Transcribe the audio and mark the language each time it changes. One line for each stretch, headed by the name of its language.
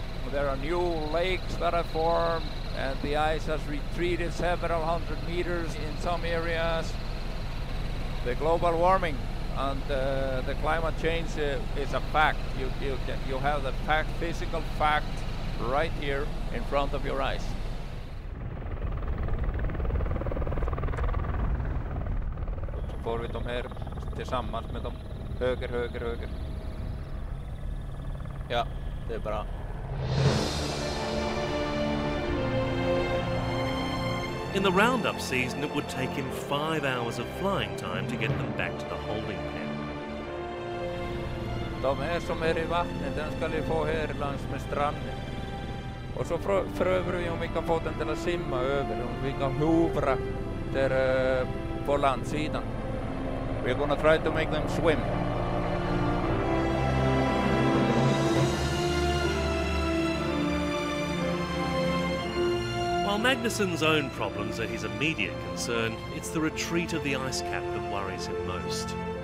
English: There are new lakes that are formed, and the ice has retreated several hundred meters in some areas. The global warming and the climate change is a fact. You have the fact, physical fact, right here in front of your eyes.
Swedish: Får vi dem här tillsammans med dem höger, höger, höger. Ja, det är bra.
English: In the roundup season, it would take him 5 hours of flying time to get them back to the holding pen.
Swedish: De här som är i vattnet, den ska vi få här längs med stranden. Och så prövar vi om vi kan få den till att simma över, om vi kan hovra där på landsidan.
English: We're going to try to make them swim. While Magnusson's own problems are his immediate concern, it's the retreat of the ice cap that worries him most.